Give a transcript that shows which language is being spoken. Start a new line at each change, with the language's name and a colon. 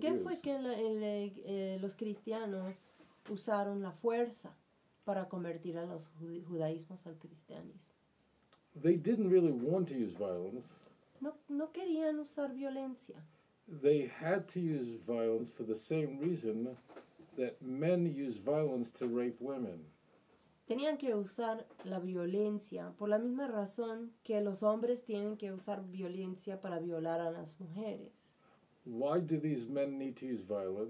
Spanish: ¿Por qué fue que los cristianos usaron la fuerza para convertir a los judaísmos al cristianismo?
English: They didn't really want to use violence.
Spanish: No querían usar violencia.
English: They had to use violence for the same reason that men use violence to rape women.
Spanish: Tenían que usar la violencia por la misma razón que los hombres tienen que usar violencia para violar a las mujeres.
English: Why do these men need to use violence?